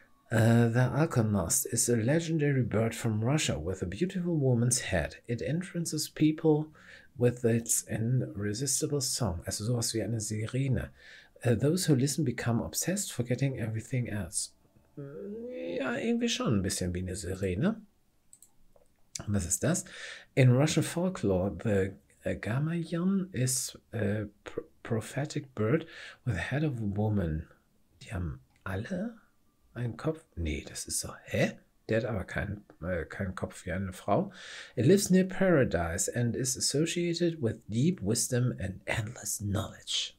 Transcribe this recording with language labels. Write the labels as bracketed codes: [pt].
[en] The arsonist is a legendary bird from Russia with a beautiful woman's head. It entrances people with its irresistible song. [de] Also sowas wie eine Sirene. [en] Those who listen become obsessed, forgetting everything else. [de] Ja, irgendwie schon ein bisschen wie eine Sirene. Was ist das? [en] In Russian folklore, the gamayon is a prophetic bird with a head of a woman. [de] Die haben alle einen Kopf? Nee, das ist so. Hä? Der hat aber keinen Kopf wie eine Frau. [en] It lives near paradise and is associated with deep wisdom and endless knowledge.